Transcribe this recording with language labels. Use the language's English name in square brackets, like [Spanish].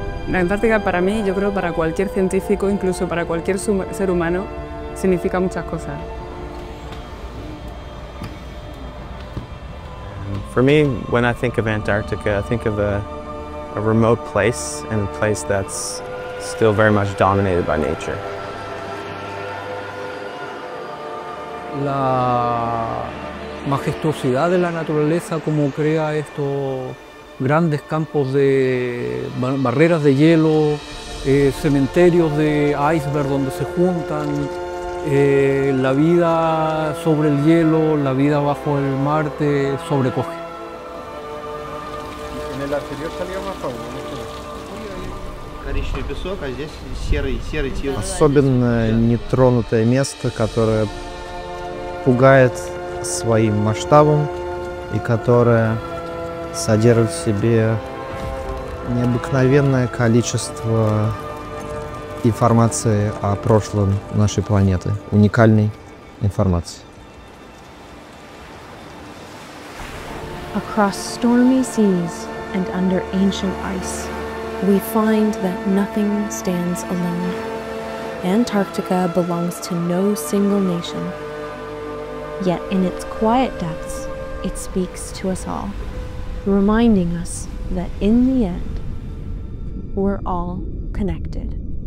[Spanish] La Antártica para mí, yo creo para cualquier científico, incluso para cualquier ser humano, significa muchas cosas. [English] For me, when I think of Antarctica, I think of a remote place and a place that's still very much dominated by nature. [Spanish] La majestuosidad de la naturaleza como crea esto grandes campos de barreras de hielo, cementerios de iceberg donde se juntan, la vida sobre el hielo, la vida bajo el mar te sobrecoge. En el anterior salía más fauna. [Russian] Особенно нетронутое место, которое пугает своим масштабом и которое содержит в себе необыкновенное количество информации о прошлом нашей планеты, уникальной информации. [English] Across stormy seas and under ancient ice, we find that nothing stands alone. Antarctica belongs to no single nation. Yet in its quiet depths, it speaks to us all, reminding us that in the end, we're all connected.